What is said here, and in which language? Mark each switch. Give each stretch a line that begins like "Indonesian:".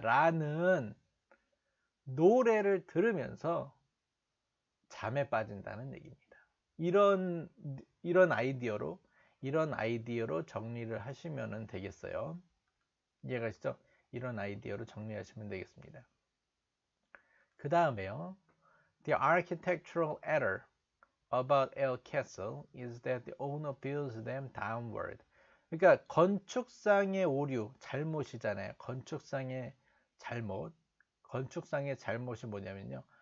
Korean: 라는 노래를 들으면서 잠에 빠진다는 얘기입니다. 이런 아이디어로 정리를 하시면 되겠어요. 이해가시죠? 이런 아이디어로 정리하시면 되겠습니다. 그 다음에요.
English: The architectural error about El Castle is that the owner builds them downward.
Korean: 그러니까 건축상의 오류, 잘못이잖아요. 건축상의 잘못. 건축상의 잘못이 뭐냐면요.